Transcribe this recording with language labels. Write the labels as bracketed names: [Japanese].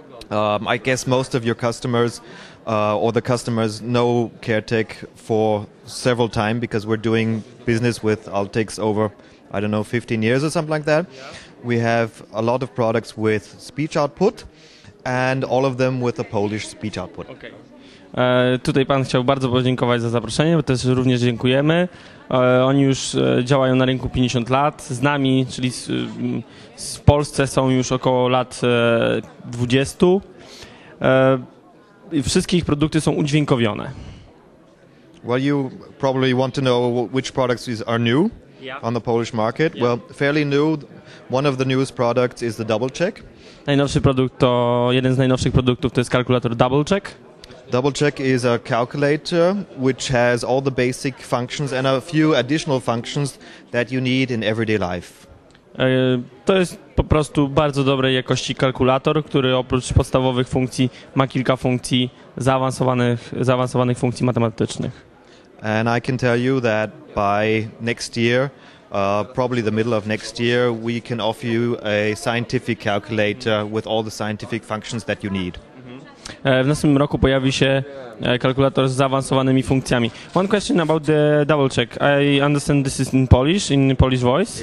[English] I guess most of your customers or the customers know CareTech for several time because we're doing business with Altix over, 15 years or something like that. We have a lot of products with speech output and all of them with a Polish speech output. Okay. [Polish] Tutaj pan chciał bardzo podziękować za zaproszenie, bo też również dziękujemy. Oni już działają na rynku 50 lat. Z nami, czyli z Polsce są już około lat 20. Wszystkie ich produkty są udźwiękowione. [English] Well, you probably want to know which products are new on the Polish market. Yeah. Well, fairly new. One of the newest products is the Double Check. [Polish] Najnowszy produkt to, jeden z najnowszych produktów to jest kalkulator Double Check. [English] Double Check is a calculator which has all the basic functions and a few additional functions that you need in everyday life. [Polish] To jest po prostu bardzo dobrej jakości kalkulator, który oprócz podstawowych funkcji ma kilka funkcji zaawansowanych funkcji matematycznych. [English] And I can tell you that by next year, probably the middle of next year, we can offer you a scientific calculator with all the scientific functions that you need. [Polish] W następnym roku pojawi się kalkulator z zaawansowanymi funkcjami. [English] One question about the double check. I understand this is in Polish voice.